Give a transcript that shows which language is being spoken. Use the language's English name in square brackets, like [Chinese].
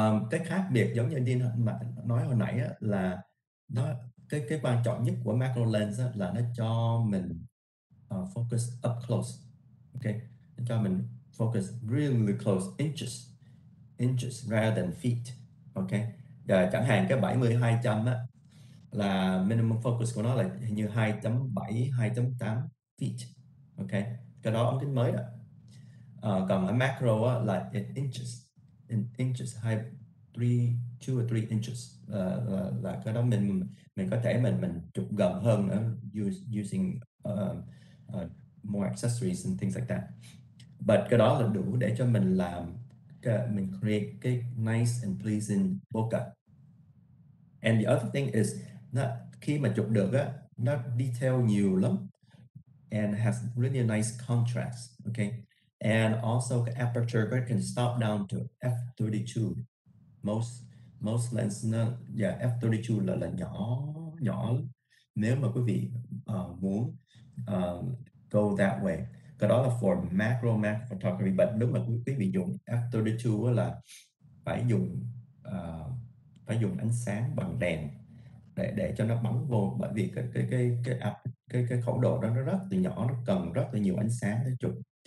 [Vietnamese] cái khác biệt giống như Dean nói hồi nãy á, là nó cái quan trọng nhất của macro lens á, là nó cho mình [English] focus up close. Okay, [Vietnamese] nó cho mình [English] focus really close, inches rather than feet. [Vietnamese] Ok, và chẳng hạn cái 70-200 á, là minimum focus của nó là như 2.7-2.8 feet. Ok, cái đó ống kính mới đó. Còn ở macro á, là [English] in inches, 2 or 3 inches, [Vietnamese] là cái đó mình có thể mình chụp gần hơn nữa, [English] using more accessories and things like that. [Vietnamese] But cái đó là đủ để cho mình làm mình create cái [English] nice and pleasing bokeh. And the other thing is [Vietnamese] nó khi mà chụp được á, nó detail nhiều lắm, [English] and has really nice contrast. Okay, and also cái aperture can stop down to f32. [Vietnamese] Most lens nó, f32 là nhỏ nhỏ lắm. Nếu mà quý vị muốn [English] go that way. [Vietnamese] Cái đó là [English] for macro photography, but [Vietnamese] nếu mà quý vị dùng f32 là phải dùng ánh sáng bằng đèn để cho nó bắn vô, bởi vì cái khẩu độ đó nó rất là nhỏ, nó cần rất là nhiều ánh sáng để chụp.